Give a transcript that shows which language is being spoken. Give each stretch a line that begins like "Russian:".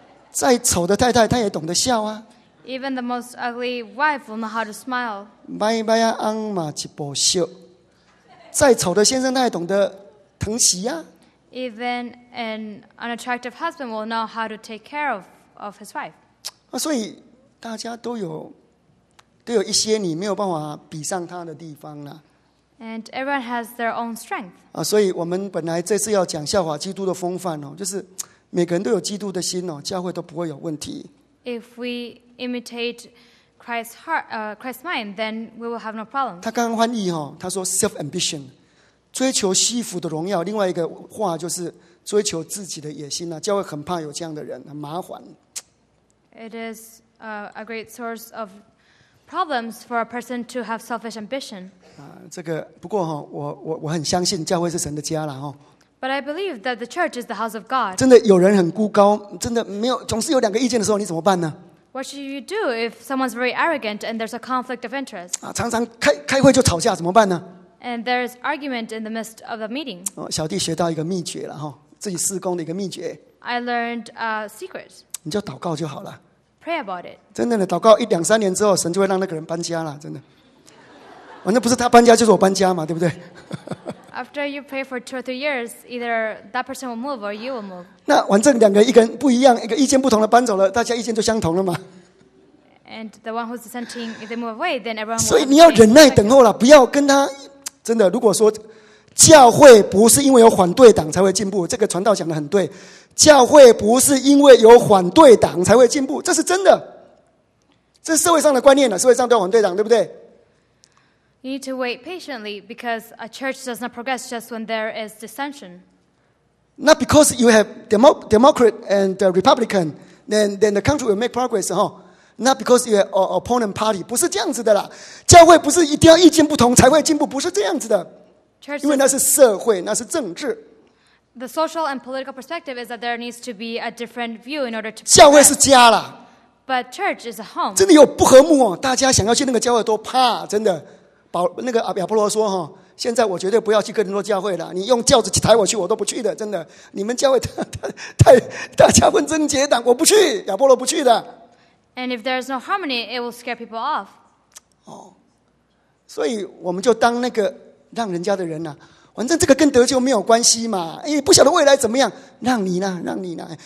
Chinese: 再丑的太太，她也懂得笑啊。
English: Even the most ugly wife will know how to smile. 买买啊安嘛一部笑。
Chinese: 再丑的先生，他也懂得疼惜啊。
English: Even an unattractive husband will know how to take care of his wife.
Chinese: 所以大家都有一些你没有办法比上他的地方啦。
English: And everyone has their own strength.
Chinese: 所以我们本来这次要讲效法基督的风范就是每个人都有基督的心教会都不会有问题。
English: If we imitate Christ's heart, Christ's mind, then we will have no problem.
Chinese: 他刚刚翻译他说 self-ambition, 追求虚浮的荣耀。另外一个话就是追求自己的野心教会很怕有这样的人，很麻烦。
English: It is a great source of problems for a person to have selfish ambition.
Chinese: 这个不过我很相信教会是神的家了。
English: But I believe that the church is the house of God.
Chinese: 真的有人很孤高，真的没有，总是有两个意见的时候，你怎么办呢？
English: What should you do if someone's very arrogant and there's a conflict of interest?
Chinese: 常常开会就吵架，怎么办呢？
English: And there's argument in the midst of the meeting.
Chinese: 小弟学到一个秘诀了自己事工的一个秘诀。
English: I learned a secret.
Chinese: 你就祷告就好了。
English: Pray about it.
Chinese: 真的，祷告一两三年之后，神就会让那个人搬家了，真的。那不是他搬家就是我搬家嘛，对不对？
English: After you pray for two or three years, either that person will move or you will move.
Chinese: 那反正两个一个不一样，一个意见不同的搬走了，大家意见就相同了嘛。
English: And the one who's dissenting, if they move away, then everyone.
Chinese: 所以你要忍耐等候了，不要跟他真的。如果说教会不是因为有反对党才会进步，这个传道讲的很对。教会不是因为有反对党才会进步，这是真的。这是社会上的观念了，社会上都有反对党，对不对？
English: You need to wait patiently because a church does not progress just when there is dissension. Not because you have Democrat and Republican, then the country will make progress, huh? Not because you have opponent party.
Chinese: 不是这样子的啦。教会不是一定要意见不同才会进步，不是这样子的。
English: Church,
Chinese: 因为那是社会，那是政治。
English: The social and political perspective is that there needs to be a different view in order to.
Chinese: 教会是家啦。
English: But church is a home.
Chinese: 真的有不和睦哦，大家想要去那个教会都怕，真的。保那个亚波罗说哈。现在我绝对不要去哥林多教会了，你用轿子抬我去我都不去的，真的，你们教会大家分争结党，我不去，亚波罗不去的。
English: And if there's no harmony it will scare people off、
Chinese: 哦、所以我们就当那个让人家的人、啊、反正这个跟得救没有关系嘛，不晓得未来怎么样，让你呢，让你呢。